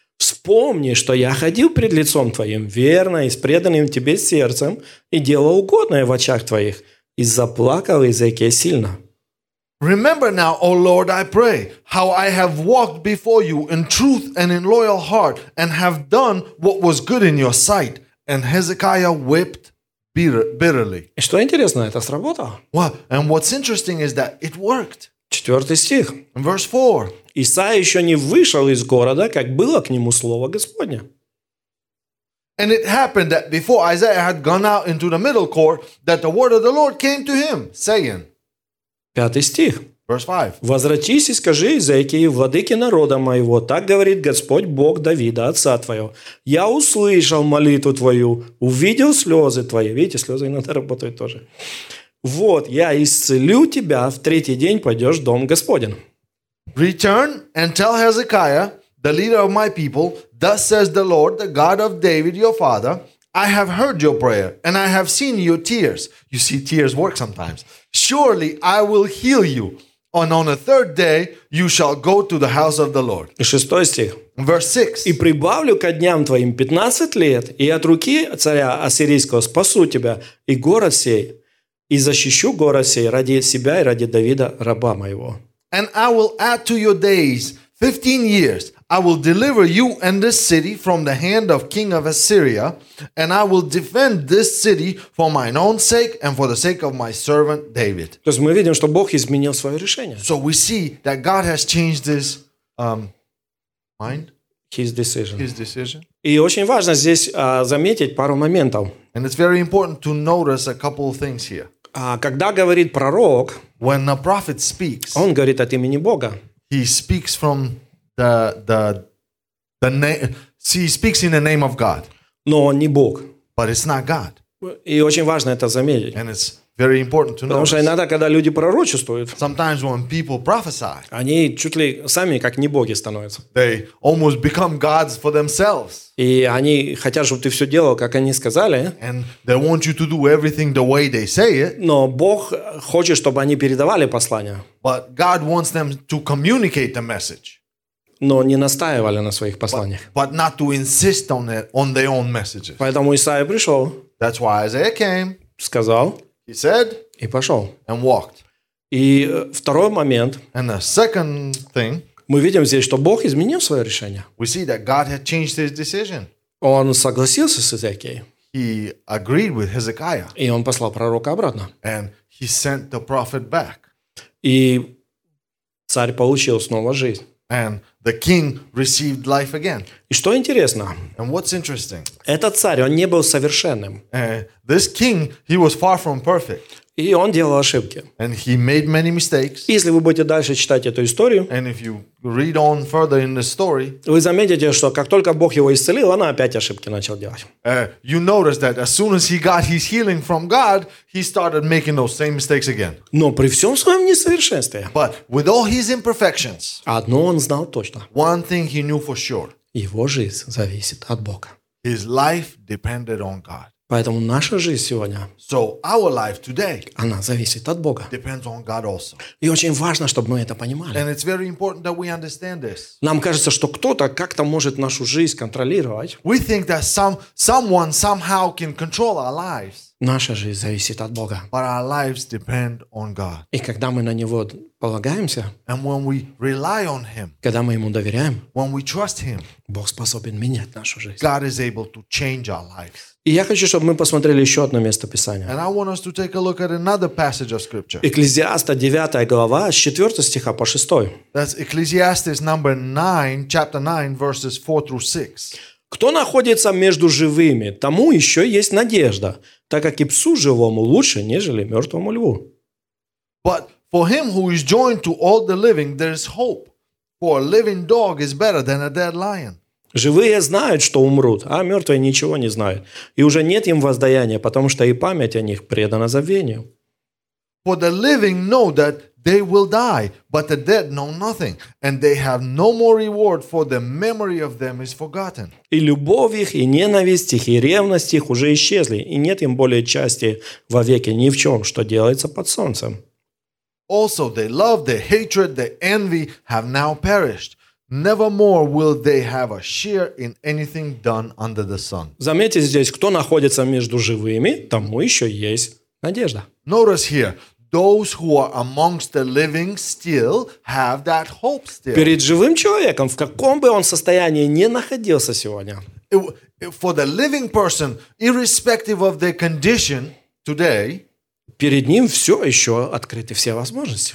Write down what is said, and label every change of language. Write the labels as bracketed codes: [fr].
[ru] Вспомни, что я ходил пред лицом Твоим верно и с преданным Тебе сердцем и делал угодное в очах Твоих. И заплакал Иезекия сильно. [en] Remember now, O Lord, I pray, how I have walked before You in truth and in loyal heart and have done what was good in Your sight. And Hezekiah wept bitterly. [ru] И что интересно, это сработало. [en] What? And what's interesting is that it worked. [ru] Четвертый стих. [en] In verse 4. [ru] Исаия еще не вышел из города, как было к нему слово Господне. [en] And it happened that before Isaiah had gone out into the middle court, that the word of the Lord came to him, saying. [ru] Пятый стих. [en] Verse 5. [ru] Возвратись и скажи Иезекии, владыке народа моего, так говорит Господь Бог Давида, отца твоего. Я услышал молитву твою, увидел слезы твои. Видите, слезы иногда работают тоже. Вот, я исцелю тебя, в третий день пойдешь в дом Господень. [en] Return and tell Hezekiah, the leader of my people, thus says the Lord, the God of David, your father, I have heard your prayer and I have seen your tears. You see, tears work sometimes. Surely I will heal you. And on the third day, you shall go to the house of the Lord. [ru] Шестой стих. [en] Verse 6. [ru] И прибавлю ко дням твоим 15 лет, и от руки царя Ассирийского спасу тебя и город сей, и защищу город сей ради себя и ради Давида, раба моего. [en] And I will add to your days 15 years. I will deliver you and this city from the hand of king of Assyria. And I will defend this city for mine own sake and for the sake of my servant David. [ru] То есть мы видим, что Бог изменил свое решение. [en] So we see that God has changed his mind. His decision. [ru] И очень важно здесь заметить пару моментов. [en] And it's very important to notice a couple of things here. [ru] Когда говорит пророк, [en] When the prophet speaks, [ru] он говорит от имени Бога. [en] He speaks from the name. He speaks in the name of God. [ru] Но он не Бог. [en] But it's not God. [ru] И очень важно это заметить. [en] And it's very important to notice. [ru] Потому что иногда, когда люди пророчествуют, [en] sometimes when people prophesy, [ru] они чуть ли сами как не боги становятся. [en] They almost become gods for themselves. [ru] И они хотят, чтобы ты все делал, как они сказали. [en] And they want you to do everything the way they say it. [ru] Но Бог хочет, чтобы они передавали послание. [en] But God wants them to communicate the message. [ru] Но не настаивали на своих посланиях. [en] But not to insist on it on their own messages. [ru] Поэтому Исаия пришел. [en] That's why Isaiah came. [ru] Сказал. [en] He said. [ru] И пошел. [en] And walked. [ru] И второй момент. [en] And the second thing. [ru] Мы видим здесь, что Бог изменил свое решение. [en] We see that God had changed his decision. [ru] Он согласился с Иезекией. [en] He agreed with Hezekiah. [ru] И он послал пророка обратно. [en] And he sent the prophet back. [ru] И царь получил снова жизнь. [en] And The king received life again. [ru] И что интересно? [en] And what's interesting? [ru] Этот царь, он не был совершенным. [en] This king, he was far from perfect. [ru] И он делал ошибки. [en] And he made many mistakes. [ru] Если вы будете дальше читать эту историю, [en] and if you read on further in the story, [ru] вы заметите, что как только Бог его исцелил, он опять ошибки начал делать. [en] You notice that as soon as he got his healing from God, he started making those same mistakes again. [ru] Но при всем своем несовершенстве, [en] but with all his imperfections, [ru] одно он знал точно. [en] One thing he knew for sure. [ru] Его жизнь зависит от Бога. [en] His life depended on God. [ru] Поэтому наша жизнь сегодня, [en] so our life today, [ru] она зависит от Бога. [en] Depends on God also. [ru] И очень важно, чтобы мы это понимали. [en] And it's very important that we understand this. [ru] Нам кажется, что кто-то как-то может нашу жизнь контролировать. [en] We think that someone somehow can control our lives. [ru] Наша жизнь зависит от Бога. [en] But our lives depend on God. [ru] И когда мы на Него полагаемся, [en] and when we rely on Him, [ru] когда мы Ему доверяем, [en] when we trust Him, [ru] Бог способен менять нашу жизнь. [en] God is able to change our lives. [ru] И я хочу, чтобы мы посмотрели еще одно место Писания. [en] And I want us to take a look at another passage of Scripture. [ru] Экклезиаста 9 глава, с 4 стиха по 6. [en] That's Ecclesiastes number 9, chapter 9, verses 4 through 6. [ru] Кто находится между живыми, тому еще есть надежда, так как и псу живому лучше, нежели мертвому льву. [en] But for him who is joined to all the living, there is hope. For a living dog is better than a dead lion. [ru] Живые знают, что умрут, а мертвые ничего не знают. И уже нет им воздаяния, потому что и память о них предана забвению. [en] For the living know that they will die, but the dead know nothing, and they have no more reward, for the memory of them is forgotten. [ru] И любовь их, и ненависть их, и ревность их уже исчезли, и нет им более части вовеки ни в чем, что делается под солнцем. [en] Also, their love, their hatred, their envy have now perished. Nevermore will they have a share in anything done under the sun. [ru] Заметьте здесь, кто находится между живыми, тому еще есть надежда. [en] Notice here, those who are amongst the living still have that hope still. [ru] Перед живым человеком, в каком бы он состоянии ни находился сегодня. [en] For the living person, irrespective of their condition today, [ru] перед ним все еще открыты все возможности.